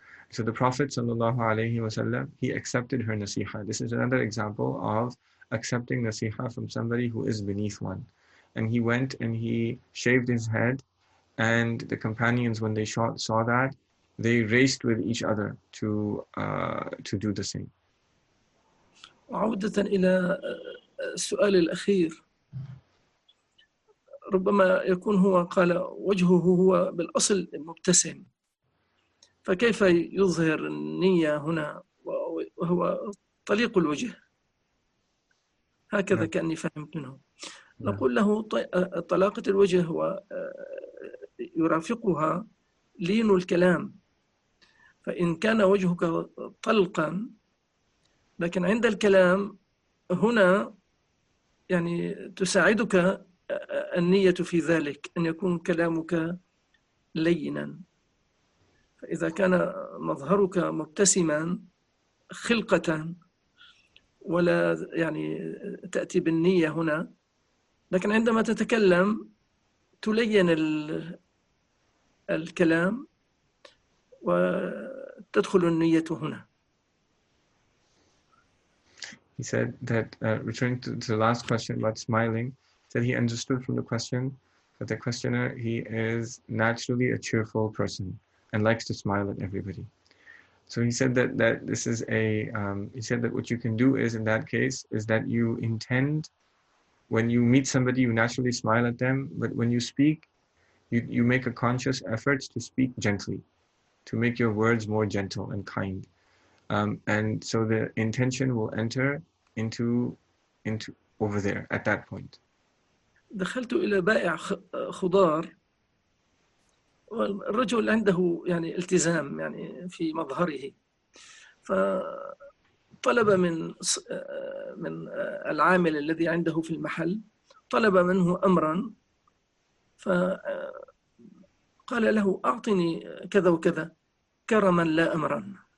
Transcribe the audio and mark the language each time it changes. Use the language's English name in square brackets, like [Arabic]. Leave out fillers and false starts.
[English] So the Prophet sallallahu alaihi wasallam, he accepted her nasiha. This is another example of accepting nasiha from somebody who is beneath one. And he went and he shaved his head, and the companions, when they saw that, they raced with each other to do the same. [Arabic] عودة إلى السؤال الأخير ربما يكون هو قال وجهه هو بالأصل مبتسم فكيف يظهر النية هنا وهو طليق الوجه هكذا كأني فهمت منه نقول له طلاقة الوجه ويرافقها لين الكلام فإن كان وجهك طلقا لكن عند الكلام هنا يعني تساعدك النية في ذلك أن يكون كلامك لينا فإذا كان مظهرك مبتسما خلقة ولا يعني تأتي بالنية هنا لكن عندما تتكلم تلين الكلام وتدخل النية هنا. [English] He said that, returning to the last question about smiling, that he understood from the question that the questioner, he is naturally a cheerful person and likes to smile at everybody. So he said that this is a, he said that what you can do is, in that case, is that you intend, when you meet somebody, you naturally smile at them, but when you speak, you make a conscious effort to speak gently, to make your words more gentle and kind. And so the intention will enter into over there at that point. [Arabic] دخلت إلى بائع خضار والرجل عنده يعني التزام يعني في مظهره فطلب من العامل الذي عنده في المحل طلب منه أمرا فقال له أعطني كذا وكذا كرما لا أمرا